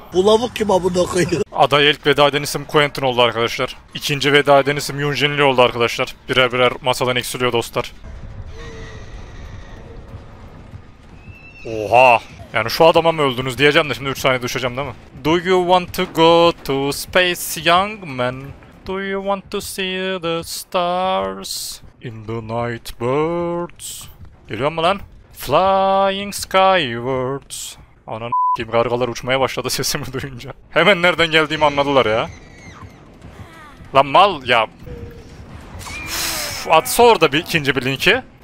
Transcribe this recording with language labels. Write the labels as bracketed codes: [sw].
[tr] Bu lavuk kim abi bakıyor? Aday ilk veda eden isim Quentin oldu arkadaşlar. İkinci veda eden isim Yun Jin Lee oldu arkadaşlar. Birer birer masadan eksiliyor dostlar. Oha! Yani şu adama mı öldünüz diyeceğim de şimdi 3 saniye düşeceğim değil mi? [en] Do you want to go to space, young man? Do you want to see the stars in the night birds? [tr] Geliyor mu lan? [en] Flying skywards. [tr] Ananı s**eyim, gargalar uçmaya başladı sesimi duyunca. Hemen nereden geldiğimi anladılar ya. Lan mal ya. Atsa orada bir ikinci bir linki.